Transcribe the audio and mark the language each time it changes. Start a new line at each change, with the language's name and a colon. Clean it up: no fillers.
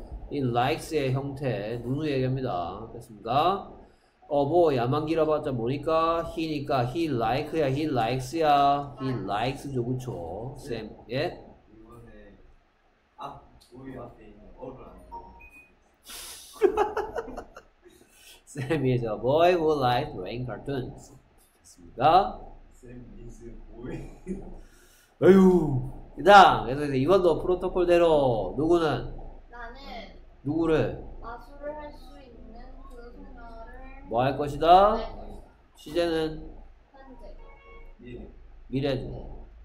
Korean: 이 likes의 형태, 누누 얘기합니다. 됐습니까? 어, 뭐, 야만 길어봤자 뭐니까? he니까, he like야, he likes야. he likes죠, 그쵸? 쌤, 예? 이번에, 앞, 우리 앞에 있는 얼굴.
English: Sam is a boy who likes drawing cartoons.
Korean: 됐습니까?
English: Sam is a boy.
Korean: 아유. 그 다음, 그래서 이번도 프로토콜대로, 누구는? 누구를? 마술을 할 수 있는 그 소녀를 뭐 할 것이다? 시제는? 현재 미래죠.